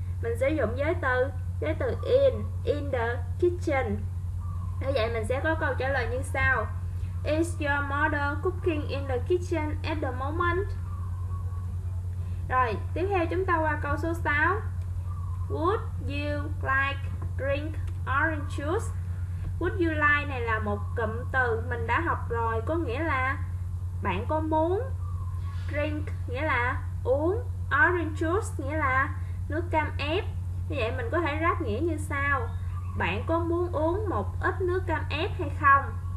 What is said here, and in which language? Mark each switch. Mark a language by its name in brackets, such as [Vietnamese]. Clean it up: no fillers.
[Vietnamese] Mình sử dụng giới từ [English] in the kitchen. [Vietnamese] Như vậy mình sẽ có câu trả lời như sau: [English] Is your mother cooking in the kitchen at the moment? [Vietnamese] Rồi, tiếp theo chúng ta qua câu số 6. [English] Would you like drink orange juice? Would you like [Vietnamese] này là một cụm từ mình đã học rồi, có nghĩa là bạn có muốn. Drink nghĩa là uống, orange juice nghĩa là nước cam ép. Như vậy mình có thể ráp nghĩa như sau: bạn có muốn uống một ít nước cam ép hay không?